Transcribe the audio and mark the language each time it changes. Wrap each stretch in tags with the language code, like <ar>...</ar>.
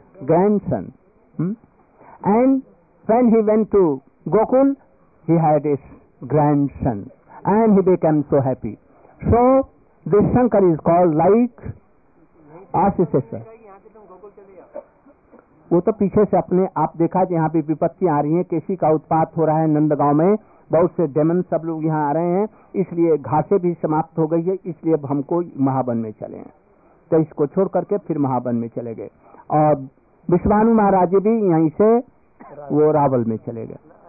<en>grandson, and when he went to Gokul, he had his grandson, and he became so happy. So this Shankar is called like Asisesha.</en> <hi>वो तो पीछे से अपने आप देखा कि यहाँ पे विपत्ति आ रही है, केसी का उत्पात हो रहा है नंदगांव में, बहुत से डेमन सब लोग यहाँ आ रहे हैं, इसलिए घासें भी समाप्त हो गई है, इसलिए अब हमको महावन में चले हैं। तो इसको छोड़ करके फिर महावन में चले गए, और विश्वानु महाराज भी यहीं से वो रावल में चले गए।</hi>